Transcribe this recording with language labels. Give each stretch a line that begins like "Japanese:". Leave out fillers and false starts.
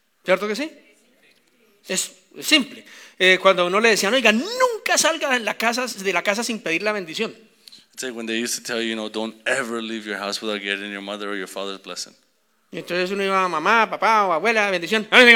Spanish: ¿Cierto que sí? Es simple. Cuando uno le decía, oiga, nunca salga de la casa sin pedir la bendición.
English: It's like when they used to tell you, you know, don't ever leave your house without getting your mother or your father's blessing.
Spanish: Y entonces uno iba a mamá, papá o abuela, bendición.